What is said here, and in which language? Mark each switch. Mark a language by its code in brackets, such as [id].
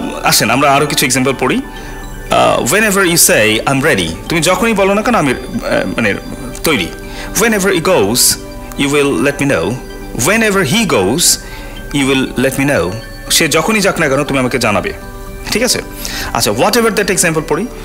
[bn] আসেন আমরা আরও কিছু এক্সাম্পল পড়ি। [en] whenever you say I am ready, [bn] তুমি যখনই বলো না কেন আমি মানে তৈরি। [en] Whenever he goes, you will let me know. Whenever he goes, you will let me know. [bn] সে যখনই যাক না কেন তুমি আমাকে জানাবে, ঠিক আছে? আচ্ছা, [en] whatever [bn] দ্যাট এক্সাম্পল পড়ি।